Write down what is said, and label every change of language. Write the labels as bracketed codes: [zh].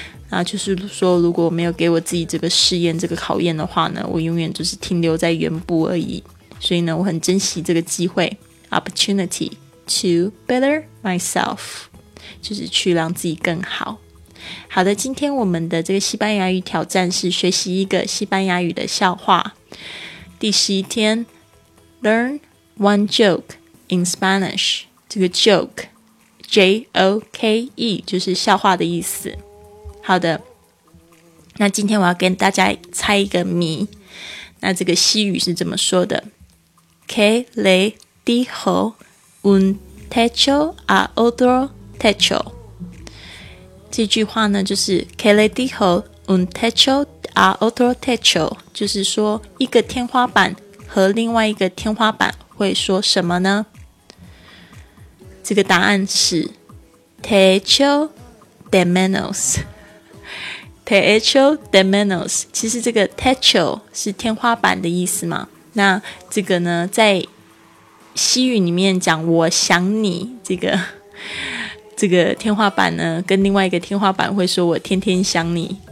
[zh] 那就是说如果没有给我自己这个试验这个考验的话呢，我永远就是停留在原部而已。所以呢我很珍惜这个机会， [en] opportunity to better myself， [zh] 就是去让自己更好。好的，今天我们的这个西班牙语挑战是学习一个西班牙语的笑话。第11天， [en] Learn one joke in Spanish， [zh] 这个 joke J-O-K-E 就是笑话的意思。好的，那今天我要跟大家猜一个谜。那这个西语是怎么说的？ [es] ¿Qué le dijo un techo a otro techo？ [zh] 这句话呢就是 [es] ¿Qué le dijo un techo a otro techo？ [zh] 就是说一个天花板和另外一个天花板会说什么呢？这个答案是 [es] techo de menos。 Techo de menos， [zh] 其实这个 techo 是天花板的意思嘛。那这个呢在西语里面讲我想你，这个天花板呢跟另外一个天花板会说我天天想你。